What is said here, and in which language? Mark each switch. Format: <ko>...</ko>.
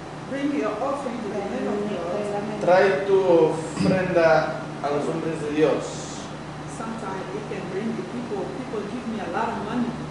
<en>bring your offering to the man of God.</en> <es>Trae tu ofrenda a los hombres de Dios.</es> <en>Sometimes it can bring the people give me a lot of money.</en>